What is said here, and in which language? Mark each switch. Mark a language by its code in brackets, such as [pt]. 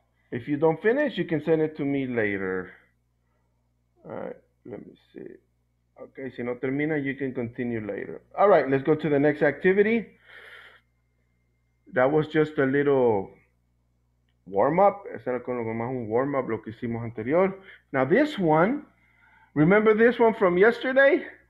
[en] If you don't finish, you can send it to me later. All right, let me see. Okay, [es] si no termina, [en] you can continue later. All right, let's go to the next activity. That was just a little warm-up. [es] Ese era como más un warm-up lo que hicimos anterior. [en] Now this one, remember this one from yesterday?